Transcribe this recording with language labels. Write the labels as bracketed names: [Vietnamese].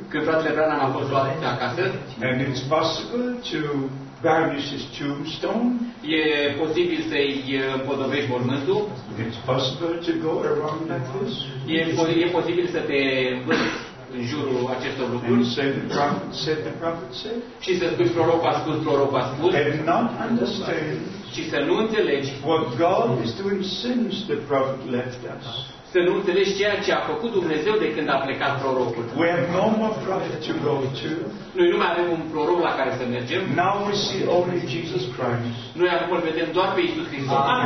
[Romanian] Când fratele Branham a fost luat de acasă. [English] And it's possible to garnish his tombstone. [Romanian] E posibil să-i împodobești mormântul. [English] It's possible to go around that place. [Romanian] E posibil să te împodobești în jurul acestor lucruri. [English] And say the prophet said, the prophet said. [Romanian] Și să spui prorocul a spus, prorocul a spus. [English] And not understand. [Romanian] Și să nu înțelegi. [English] What God is doing since the prophet left us. [Romanian] Să nu înțelegi ceea ce a făcut Dumnezeu de când a plecat prorocul. [English] We have no more prophet to go to. [Romanian] Noi nu mai avem un proroc la care să mergem. [English] Now we see only Jesus Christ. [Romanian] Noi acum îl vedem doar pe Iisus Hristos.